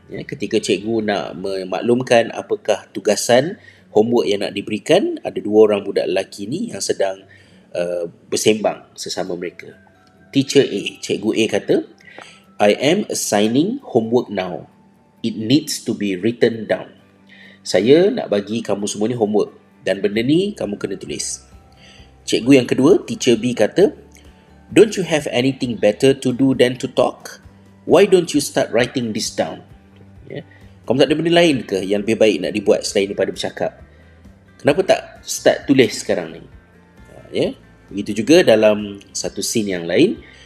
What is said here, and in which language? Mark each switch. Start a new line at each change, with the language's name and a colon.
Malay: Ya, ketika cikgu nak memaklumkan apakah tugasan homework yang nak diberikan, ada dua orang budak lelaki ni yang sedang bersembang sesama mereka.
English: Teacher A,
Malay: cikgu A kata,
English: I am assigning homework now. It needs to be written down.
Malay: Saya nak bagi kamu semua ni homework dan benda ni kamu kena tulis. Cikgu yang kedua,
English: teacher B kata, don't you have anything better to do than to talk? Why don't you start writing this down?
Malay: Ya. Kamu tak ada benda lain ke yang lebih baik nak dibuat selain daripada bercakap? Kenapa tak start tulis sekarang ni? Ya. Begitu juga dalam satu scene yang lain.